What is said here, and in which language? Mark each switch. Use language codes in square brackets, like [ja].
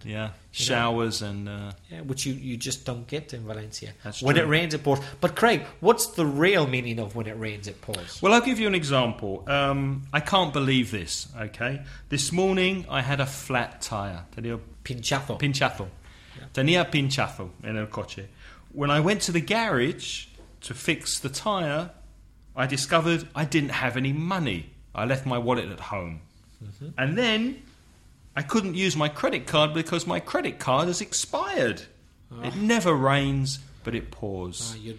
[en] Yeah. Showers and... Which you just don't get in Valencia. That's true. When it rains, it pours. But Craig, what's the real meaning of when it rains, it pours? Well, I'll give you an example. I can't believe this, okay? This morning, I had a flat tire. [es] Pinchazo. [en] Yeah. [es] Tenía pinchazo en el coche. [en] When I went to the garage to fix the tire, I discovered I didn't have any money. I left my wallet at home. Mm-hmm. And then I couldn't use my credit card because my credit card has expired. Oh. It never rains, but it pours.